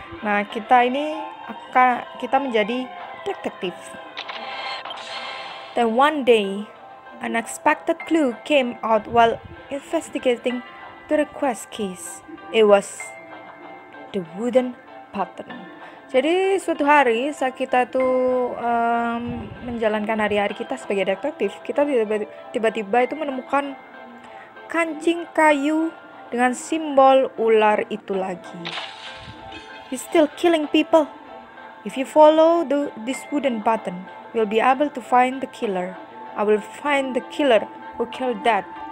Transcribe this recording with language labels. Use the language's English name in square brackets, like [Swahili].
[Indonesian] Nah, kita ini akan kita menjadi detektif. [English] Then one day, an unexpected clue came out while investigating the request case. It was the wooden pattern. [Indonesian] Jadi suatu hari saat kita tuh menjalankan hari-hari kita sebagai detektif, kita tiba-tiba itu menemukan kancing kayu dengan simbol ular itu lagi. [English] He's still killing people. If you follow this wooden button, you'll be able to find the killer. I will find the killer who killed that.